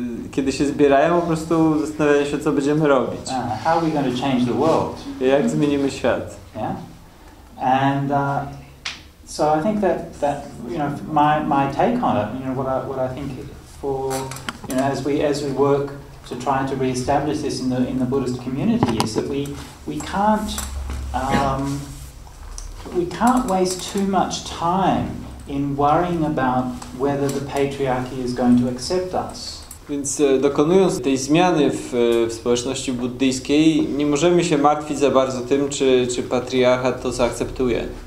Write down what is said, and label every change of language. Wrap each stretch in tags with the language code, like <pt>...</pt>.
<pl>Kiedy się zbierają, po prostu zastanawiają się, co będziemy robić.</pl> <en>How are we going to change the world?</en> <pl>Jak zmienimy świat?</pl> <en>Yeah. And so I think that you know my take on it, you know what I think for you know as we work to try to reestablish this in the Buddhist community is that we can't waste too much time in worrying about whether the patriarchy is going to accept us.</en> <pl>Więc dokonując tej zmiany w społeczności buddyjskiej, nie możemy się martwić za bardzo tym, czy patriarchat to zaakceptuje.</pl>